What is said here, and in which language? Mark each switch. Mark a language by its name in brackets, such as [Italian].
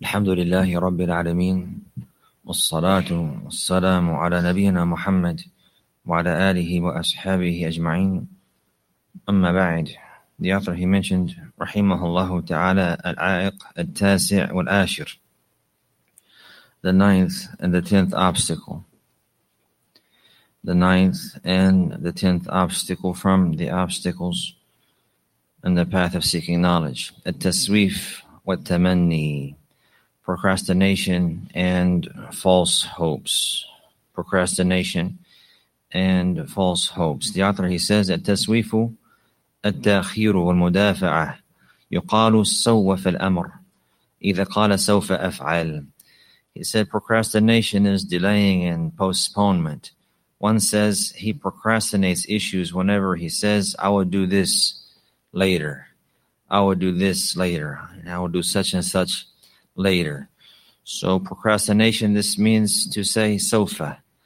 [Arabic] الحمد لله رب العالمين، والصلاة والسلام على نبينا محمد وعلى آله وأصحابه أجمعين. أما بعد، [English] the author he mentioned [Arabic] رحمه الله تعالى العائق التاسع والآشر، [English] the ninth and the tenth obstacle. The ninth and the tenth obstacle from the obstacles in the path of seeking knowledge. [Arabic] التسويف والتمني. [English] Procrastination and false hopes. Procrastination and false hopes. The author, he says, [Arabic] التسويف التأخير والمدافعة. يقال سوف الأمر إذا قال سوف أفعل. [English] He said procrastination is delaying and postponement. One says he procrastinates issues whenever he says, I will do this later. I will do this later. And I will do such and such later. So procrastination, this means to say sofa.